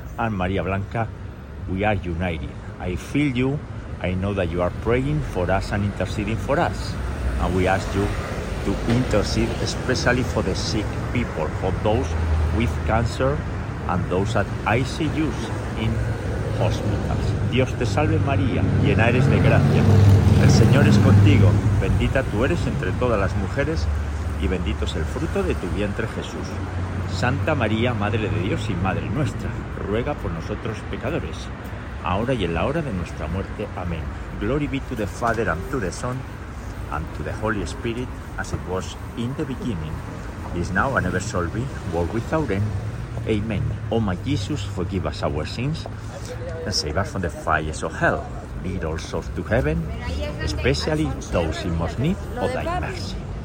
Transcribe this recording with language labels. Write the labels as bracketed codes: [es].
[en] And Maria Blanca, we are united. I feel you. I know that you are praying for us and interceding for us. And we ask you to intercede especially for the sick people, for those with cancer and those at ICUs in hospitals. [es] Dios te salve María, llena eres de gracia. El Señor es contigo, bendita tú eres entre todas las mujeres y bendito es el fruto de tu vientre Jesús. Santa María, Madre de Dios y Madre nuestra, ruega por nosotros pecadores, ahora y en la hora de nuestra muerte. Amén. [en] Glory be to the Father and to the Son and to the Holy Spirit, as it was in the beginning, is now and ever shall be, world without end. Amen. O my Jesus, forgive us our sins and save us from the fires of hell. Lead all souls to heaven, especially those in most need of thy mercy.